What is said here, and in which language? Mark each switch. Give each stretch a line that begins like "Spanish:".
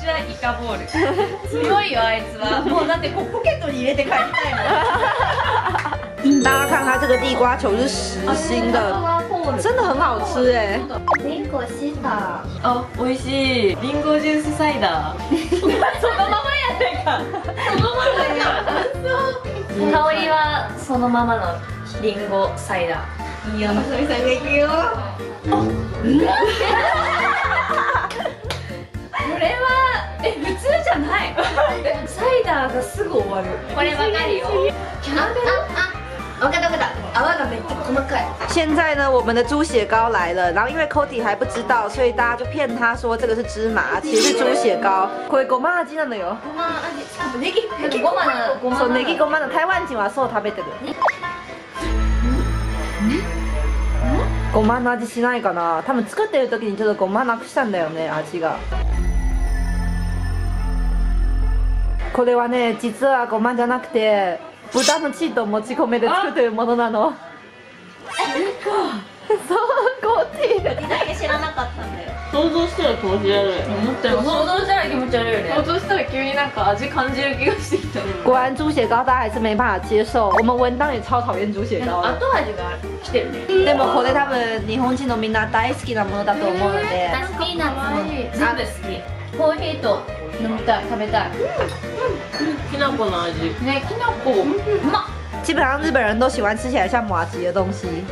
Japanese: イカボール強いよあいつは。もうだってポケットに入れて帰りたいもん。
Chinese: 大家看他这个地瓜球是实心的，真的很好吃哎。
Japanese: リンゴシーダー。あ、美味しい。リンゴジュースサイダー。そのままやないか。そのままや。香りはそのままのリンゴサイダー。いいよ、まさみさんが行くよ。これは。普通じゃない。サイダーがすぐ終わる。これわかるよ。キャラメル。わかったわかった。泡がめっちゃ細かい。
Chinese: 现在呢，我们的猪血糕来了。然后因为 Cody 还不知道，所以大家就骗他说这个是芝麻，其实是猪血糕。
Japanese: これごま味なのよ。ごま味。ネギ。ごまなの。そう、ネギごまなの。台湾人はそう食べてる。ごまの味しないかな。多分作ってる時にちょっとごまなくしたんだよね、味が。これはね、実はごまじゃなくて豚の血ともち米で作ってるものなの。そう、コーティーだけ知らなかったんだよ。想像したら気持ち悪い。想像したら気持ち悪いよね。想像したら急になんか味感じる気がしてきた。
Chinese: 果然猪血糕大家还是没办法接受。我们文旦也超讨厌猪血糕。
Japanese: 後味が来てるね。でもこれ多分日本人のみんな大好きなものだと思うので。私ピーナッツ全部好き。コーヒーと飲みたい、食べたい。きなこの味。ね、きなこ。
Chinese: 基本上日本人都喜欢吃起来像麻糬的东西。